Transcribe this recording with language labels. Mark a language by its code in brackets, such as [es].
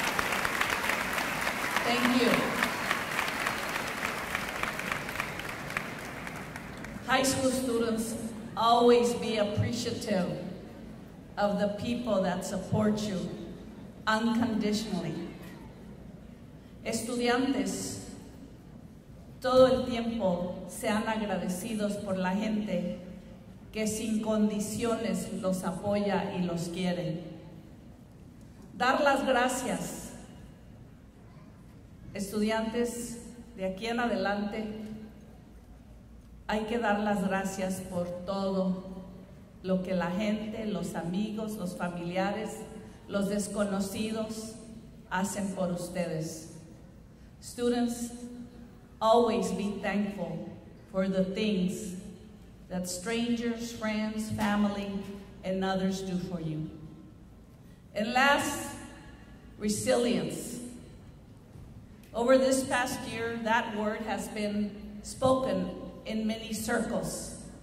[en] Thank you. High school students, always be appreciative of the people that support you unconditionally. [es] Estudiantes, todo el tiempo sean agradecidos por la gente que sin condiciones los apoya y los quiere. Dar las gracias, estudiantes, de aquí en adelante, hay que dar las gracias por todo lo que la gente, los amigos, los familiares, los desconocidos hacen por ustedes. [en] Students, always be thankful for the things that strangers, friends, family, and others do for you. And last, resilience. Over this past year, that word has been spoken in many circles.